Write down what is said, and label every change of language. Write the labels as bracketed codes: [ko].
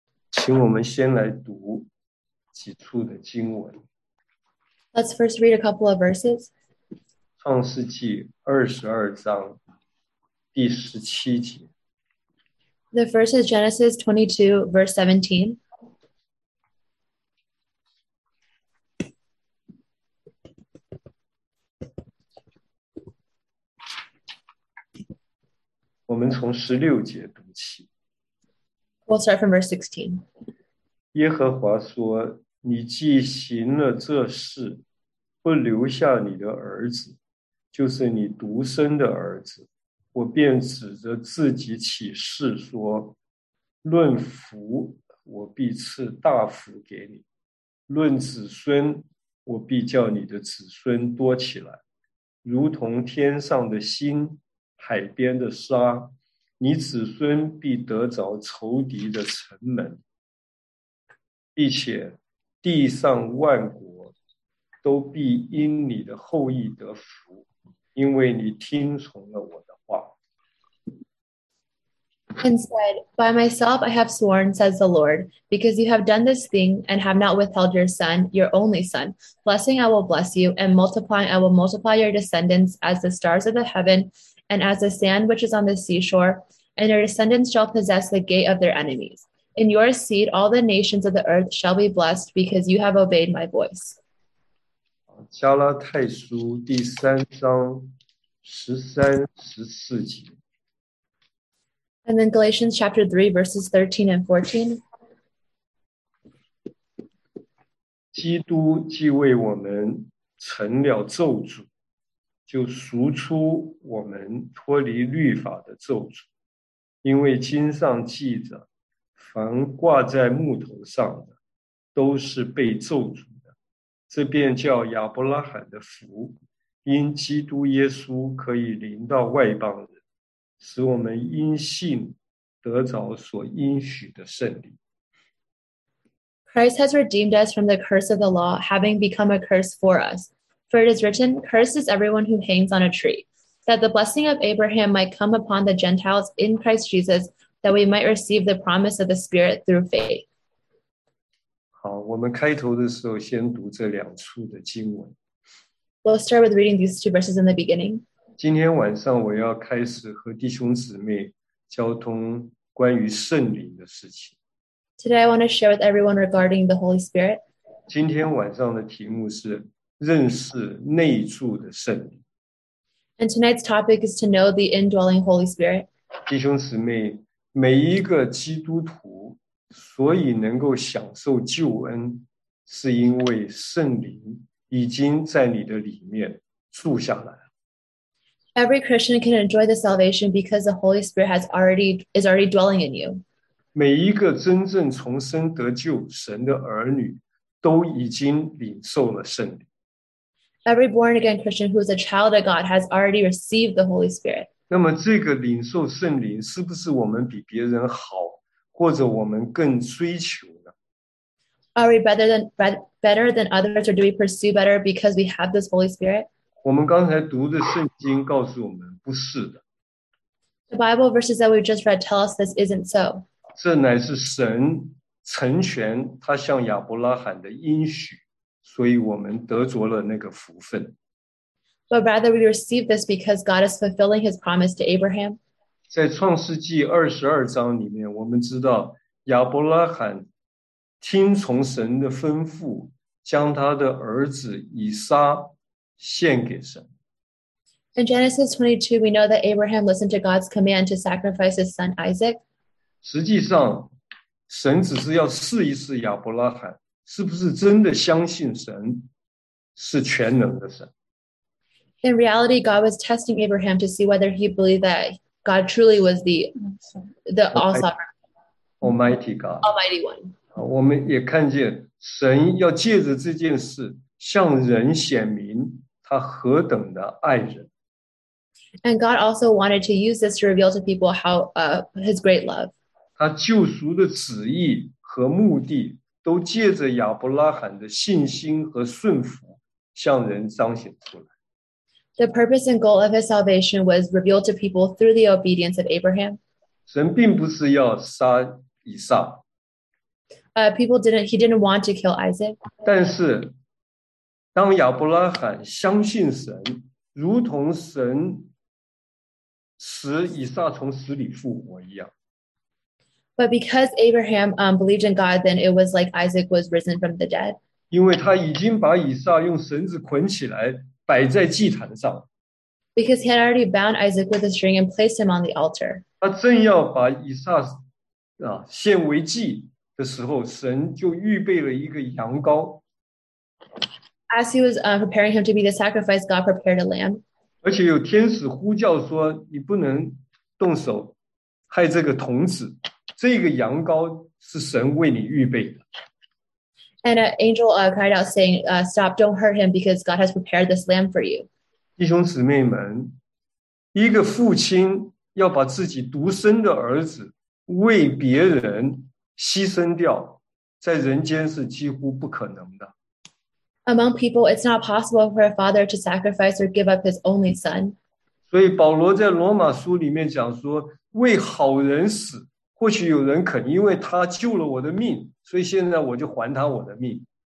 [zh] 请我们先来读几处的经文。 [en] Let's first read a couple of verses. [zh] 创世纪二十二章第十七节。 [en] The first is Genesis 22, verse 17. [zh] 我们从十六节读起。 [en] We'll start from verse 16. [zh] 耶和华说：“你既行了这事，不留下你的儿子，就是你独生的儿子，我便指着自己起誓说：论福，我必赐大福给你；论子孙，我必叫你的子孙多起来，如同天上的星，海边的沙。你子孙必得着仇敌的城门。” 并且地上万国都必因你的后裔得福，因为你听从了我的话。 [en] And said, By myself I have sworn, says the Lord, because you have done this thing and have not withheld your son, your only son. Blessing I will bless you, and multiplying I will multiply your descendants as the stars of the heaven and as the sand which is on the seashore, and your descendants shall possess the gate of their enemies. In your seed, all the nations of the earth shall be blessed because you have obeyed my voice. [zh] 加拉太书第三章十三十四节。 [en] And then Galatians chapter 3, verses 13 and 14. [zh] 基督既为我们成了咒诅，就赎出我们脱离律法的咒诅，因为经上记着，凡挂在木头上的，都是被咒诅的。这便叫亚伯拉罕的福，因基督耶稣可以临到外邦人，使我们因信得着所应许的圣灵。 [en] Christ has redeemed us from the curse of the law, having become a curse for us. For it is written, cursed is everyone who hangs on a tree, that the blessing of Abraham might come upon the Gentiles in Christ Jesus, that we might receive the promise of the Spirit through faith. [zh] 好，我们开头的时候先读这两处的经文。 [en] We'll start with reading these two verses in the beginning. [zh] 今天晚上我要开始和弟兄姊妹交通关于圣灵的事情。 [en] Today, I want to share with everyone regarding the Holy Spirit. [zh] 今天晚上的题目是认识内住的圣灵。 [en] And tonight's topic is to know the indwelling Holy Spirit. [zh] 弟兄姊妹，每一个基督徒所以能够享受救恩，是因为圣灵已经在你的里面住下来。 [en] Every Christian can enjoy the salvation because the Holy Spirit is already dwelling in you. [zh] 每一个真正重生得救神的儿女都已经领受了圣灵。 [en] Every born again Christian who is a child of God has already received the Holy Spirit. [zh] 那么这个领受圣灵是不是我们比别人好，或者我们更追求呢？ [en] Are we better than others, or do we pursue better because we have this Holy Spirit? [zh] 我们刚才读的圣经告诉我们不是的。 [en] The Bible verses that we just read tell us this isn't so. [zh] 这乃是神成全他向亚伯拉罕的应许，所以我们得着了那个福分。 [en] But rather we receive this because God is fulfilling his promise to Abraham. [zh] 在创世纪22章里面，我们知道亚伯拉罕听从神的吩咐，将他的儿子以撒献给神。 [en] In Genesis 22, we know that Abraham listened to God's command to sacrifice his son Isaac. [zh] 实际上神只是要试一试亚伯拉罕是不是真的相信神是全能的神。 [en] In reality, God was testing Abraham to see whether he believed that God truly was the all-sovereign. Almighty God. Almighty One. [zh] 我们也看见神要借着这件事向人显明他何等的爱人。 [en] And God also wanted to use this to reveal to people his great love. [zh] 他救赎的旨意和目的都借着亚伯拉罕的信心和顺服向人彰显出来。 [en] The purpose and goal of his salvation was revealed to people through the obedience of Abraham. [zh] 神并不是要杀以撒。 [en] He didn't want to kill Isaac. [zh] 但是当亚伯拉罕相信神，如同神使以撒从死里复活一样。 [en] But because Abraham believed in God, then it was like Isaac was risen from the dead. [zh] 因为他已经把以撒用绳子捆起来摆在祭坛上。 [en] Because he had already bound Isaac with a string and placed him on the altar. [zh] 他正要把以撒献为祭的时候，神就预备了一个羊羔。 [en] As he was preparing him to be the sacrifice, God prepared a lamb. [zh] 而且有天使呼叫说，你不能动手害这个童子。这个羊羔是神为你预备的。 [en] And an angel cried out saying, stop, don't hurt him because God has prepared this lamb for you. [zh] 弟兄姊妹们，一个父亲要把自己独生的儿子为别人牺牲掉，在人间是几乎不可能的。 [en] Among people, it's not possible for a father to sacrifice or give up his only son. [zh] 所以保罗在罗马书里面讲说，为好人死。或许有人肯因为他救了我的命，所以现在我就还他我的命。